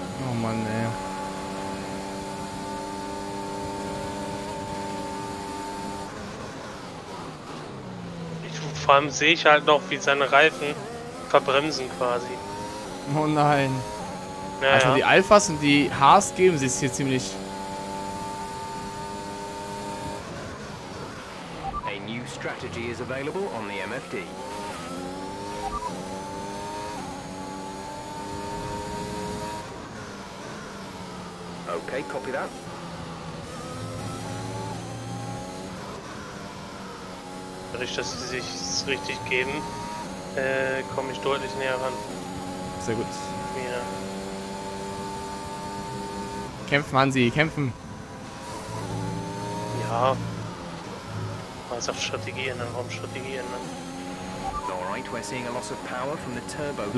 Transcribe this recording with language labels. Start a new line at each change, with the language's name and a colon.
German: Oh Mann, ey. Vor allem sehe ich halt noch, wie seine Reifen verbremsen quasi. Oh nein. Naja. Also die Alphas und die Haas geben sich hier ziemlich.
English: A new strategy is available on the MFD. Okay, copy that.
German: Dadurch, dass sie sich richtig geben, komme ich deutlich näher ran. Sehr gut. Ja. Kämpfen, Hansi, kämpfen! Ja. Was auf Strategie und dann warum Strategie und dann?
English: Alright, we're seeing a loss of power from the turbo.